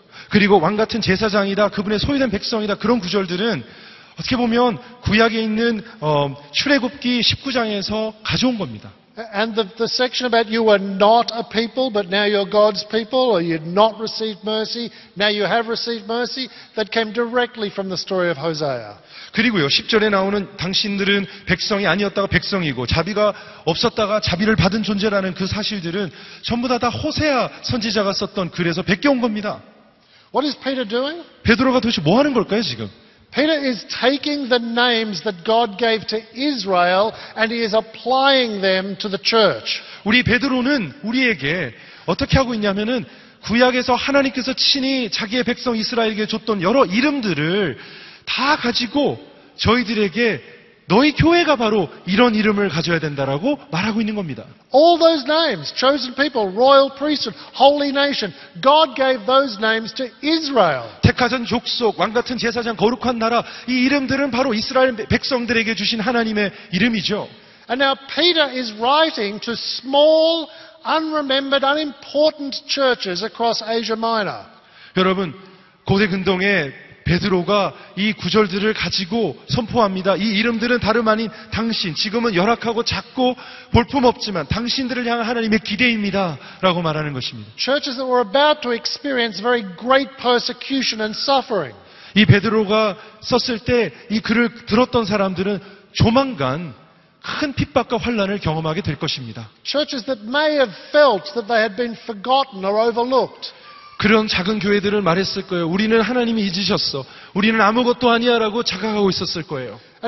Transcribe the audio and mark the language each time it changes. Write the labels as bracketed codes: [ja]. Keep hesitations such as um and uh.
[ko] 그리고 왕같은 제사장이다, 그분의 소유된 백성이다, 그런 구절들은 어떻게 보면 구약에 있는 어, 출애굽기 19장에서 가져온 겁니다. [en] And the, the section about you were not a people, but now you're God's people, or you'd not received mercy, now you have received mercy, that came directly from the story of Hosea. [ko] 그리고요, 10절에 나오는 당신들은 백성이 아니었다가 백성이고, 자비가 없었다가 자비를 받은 존재라는 그 사실들은 전부 다, 다 호세아 선지자가 썼던 글에서 베껴온 겁니다. [en] What is Peter doing? [ko] 베드로가 도대체 뭐 하는 걸까요, 지금? [en] Peter is taking the names that God gave to Israel and he is applying them to the church. [ko] 우리 베드로는 우리에게 어떻게 하고 있냐면은 구약에서 하나님께서 친히 자기의 백성 이스라엘에게 줬던 여러 이름들을 다 가지고 저희들에게 너희 교회가 바로 이런 이름을 가져야 된다라고 말하고 있는 겁니다. [en] All those names, chosen people, royal priesthood, holy nation, God gave those names to Israel. [ko] 택하신 족속, 왕 같은 제사장, 거룩한 나라, 이 이름들은 바로 이스라엘 백성들에게 주신 하나님의 이름이죠. [en] And now Peter is writing to small, unremembered, unimportant churches across Asia Minor. [ko] 여러분, 고대 근동에 베드로가 이 구절들을 가지고 선포합니다. 이 이름들은 다름 아닌 당신, 지금은 열악하고 작고 볼품 없지만 당신들을 향한 하나님의 기대입니다. 라고 말하는 것입니다. [en] Churches that were about to experience very great persecution and suffering. [ko] 이 베드로가 썼을 때 이 글을 들었던 사람들은 조만간 큰 핍박과 환란을 경험하게 될 것입니다. [en] Churches that may have felt that they had been forgotten or overlooked. [ko] 그런 작은 교회들을 말했을 거예요. 우리는 하나님이 잊으셨어. 우리는 아무것도 아니야라고 자각하고 있었을 거예요.